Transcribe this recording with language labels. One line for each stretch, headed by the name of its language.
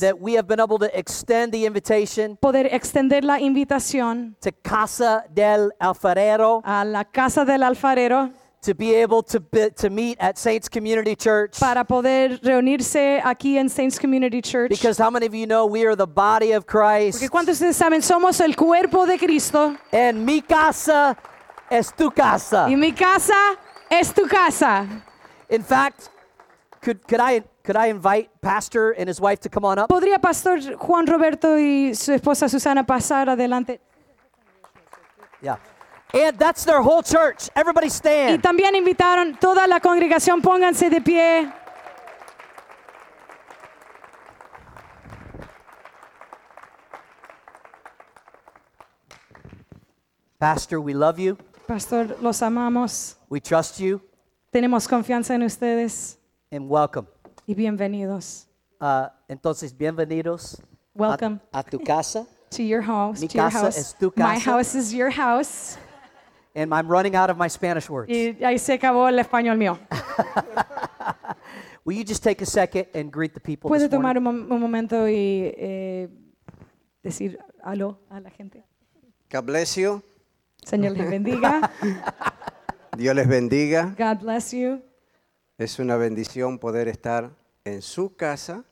English: that we have been able to extend the invitation,
Spanish: poder extender la invitación,
English: to Casa del Alfarero,
Spanish: a la Casa del Alfarero,
English: to be able to meet at Saints Community Church,
Spanish: para poder reunirse aquí en Saints Community Church,
English: because how many of you know we are the body of Christ?
Spanish: Porque ¿cuántos ustedes saben somos el cuerpo de Cristo? And mi casa es tu casa. Y mi casa es tu casa.
English: In fact, could I invite Pastor and his wife to come on up?
Spanish: ¿Podría Pastor Juan Roberto y su esposa Susana pasar adelante?
English: Yeah. And that's their whole church. Everybody stand.
Spanish: Y también invitaron toda la congregación. Pónganse de pie.
English: Pastor, we love you.
Spanish: Pastor, los amamos.
English: We trust you.
Spanish: Tenemos confianza en ustedes.
English: And welcome.
Spanish: Y bienvenidos. Entonces, bienvenidos.
English: Welcome.
Spanish: A tu casa.
English: To your house.
Spanish: Mi
English: to your
Spanish: casa
English: house.
Spanish: Es tu casa.
English: My house is your house. And I'm running out of my Spanish words.
Spanish: Y ahí se acabó el español mío.
English: Will you just take a second and greet the people?
Spanish: ¿Puedo
English: this
Spanish: tomar
English: morning?
Spanish: Un momento y decir aló a la gente?
English: God bless you.
Spanish: Señor les bendiga. Dios les bendiga.
English: God bless you.
Spanish: Es una bendición poder estar en su casa.